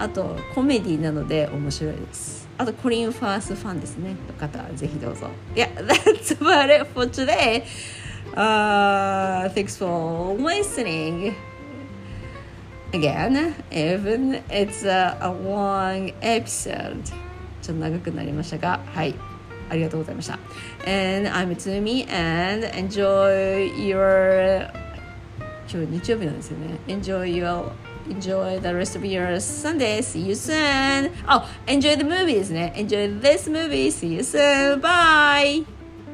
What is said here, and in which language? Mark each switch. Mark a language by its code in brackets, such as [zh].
[ja] あとコメディなので面白いです。あとコリンファースファンですねの方はぜひどうぞ。 [en] Yeah, that's about it for today. Thanks for listeningAgain, even it's a long episode. [ja] ちょっと長くなりましたが、はい、ありがとうございました。 [en] And I'm Tsumi, and enjoy your... [ja] 今日日曜日なんですよね。 [en] Enjoy the rest of your Sunday. See you soon. Oh, enjoy the movie, isn't it? Enjoy this movie. See you soon. Bye!